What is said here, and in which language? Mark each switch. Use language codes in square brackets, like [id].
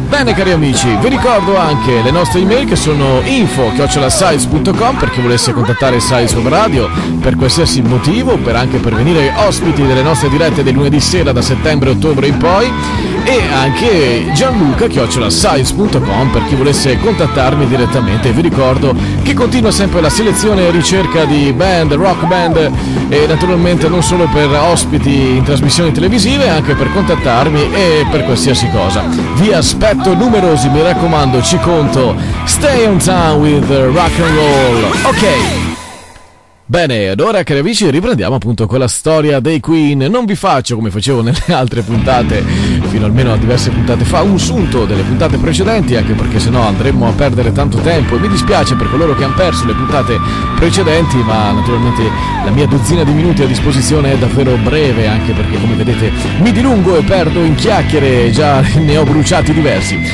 [it] Bene cari amici, vi ricordo anche le nostre email, che sono info@science.com per chi volesse contattare Science Web Radio per qualsiasi motivo, per anche per venire ospiti delle nostre dirette del lunedì sera da settembre-ottobre in poi, e anche gianluca@science.com per chi volesse contattarmi direttamente. Vi ricordo che continua sempre la selezione e ricerca di band, rock band, e naturalmente non solo per ospiti in trasmissioni televisive, anche per contattarmi e per qualsiasi cosa. Vi aspetto numerosi, mi raccomando, ci conto. [en] Stay on time with rock and roll. Ok. [it] Bene, ed ora cari amici riprendiamo appunto con la storia dei Queen. Non vi faccio, come facevo nelle altre puntate fino almeno a diverse puntate fa, un sunto delle puntate precedenti, anche perché sennò andremmo a perdere tanto tempo, e mi dispiace per coloro che hanno perso le puntate precedenti, ma naturalmente la mia dozzina di minuti a disposizione è davvero breve, anche perché come vedete mi dilungo e perdo in chiacchiere, già ne ho bruciati diversi.